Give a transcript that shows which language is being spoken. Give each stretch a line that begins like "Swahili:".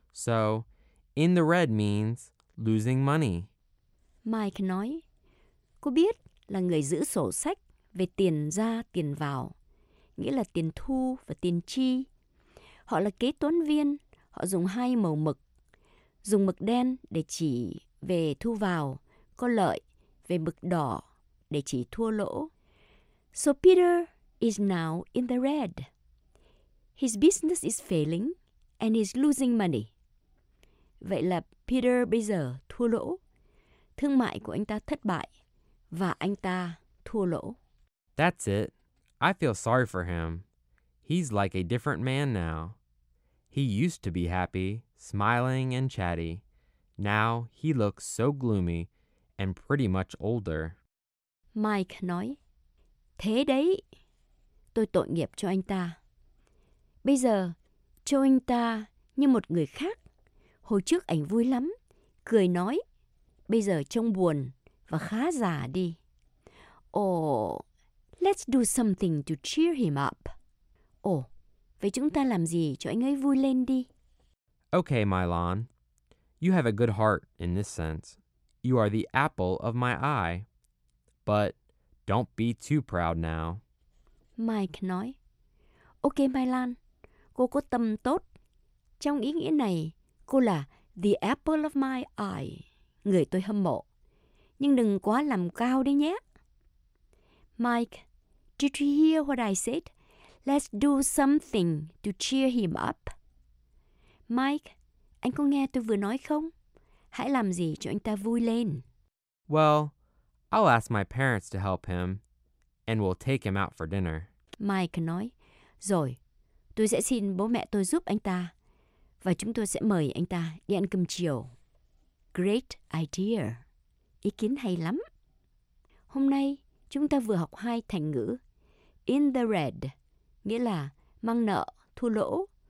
English: So, in the red means losing money.
Vietnamese: Mike nói, cô biết là người giữ sổ sách về tiền ra tiền vào, nghĩa là tiền thu và tiền chi. Họ là kế toán viên, họ dùng 2 màu mực. Dùng mực đen để chỉ về thu vào, có lợi, về mực đỏ để chỉ thua lỗ.
English: So Peter is now in the red. His business is failing and he's losing money.
Vietnamese: Vậy là Peter bây giờ thua lỗ. Thương mại của anh ta thất bại và anh ta thua lỗ.
English: That's it. I feel sorry for him. He's like a different man now. He used to be happy, smiling and chatty. Now he looks so gloomy and pretty much older.
Vietnamese: Mike nói, thế đấy, tôi tội nghiệp cho anh ta. Bây giờ, cho anh ta như một người khác. Hồi trước anh vui lắm, cười nói. Bây giờ trông buồn và khá già đi.
English: Oh, let's do something to cheer him up.
Vietnamese: Oh, vậy chúng ta làm gì cho anh ấy vui lên đi?
English: Okay, Mylon. You have a good heart in this sense. You are the apple of my eye. But don't be too proud now.
Vietnamese: Mike nói, okay, Mylon, cô có tâm tốt. Trong ý nghĩa này, cô là
English: the apple of my eye.
Vietnamese: Người tôi hâm mộ. Nhưng đừng quá làm cao đấy nhé. Mike,
English: Did you hear what I said? Let's do something to cheer him up.
Vietnamese: Mike, anh có nghe tôi vừa nói không? Hãy làm gì cho anh ta vui lên.
English: Well, I'll ask my parents to help him, and we'll take him out for dinner.
Vietnamese: Mike nói, rồi, tôi sẽ xin bố mẹ tôi giúp anh ta, và chúng tôi sẽ mời anh ta đi ăn cơm chiều.
English: Great idea.
Vietnamese: Ý kiến hay lắm. Hôm nay, chúng ta vừa học hai thành ngữ.
English: In the red,
Vietnamese: nghĩa là mang nợ, thua lỗ.